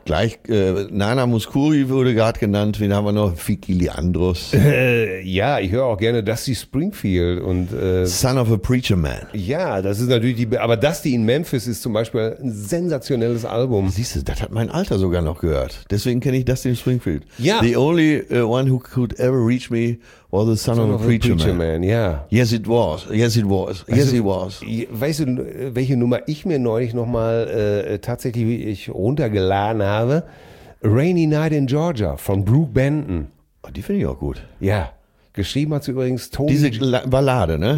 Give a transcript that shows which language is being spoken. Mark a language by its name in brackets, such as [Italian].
[German] Gleich, Nana Mouskouri wurde gerade genannt, wen haben wir noch? Fikiliandros. Ja, ich höre auch gerne Dusty Springfield und... [English] Son of a Preacher Man. [German] Ja, das ist natürlich die... Aber Dusty in Memphis ist zum Beispiel ein sensationelles Album. Siehst du, das hat mein Alter sogar noch gehört. Deswegen kenne ich Dusty Springfield. Ja. [English] The only one who could ever reach me... Or the son of a preacher man. Yeah. Yes, it was. Yes, it was. Yes, it was. [German] Weißt du, welche Nummer ich mir neulich nochmal tatsächlich ich runtergeladen habe? Rainy Night in Georgia von Brooke Benton. Oh, die finde ich auch gut. Ja. Geschrieben hat sie übrigens Tony. Diese Ballade, ne?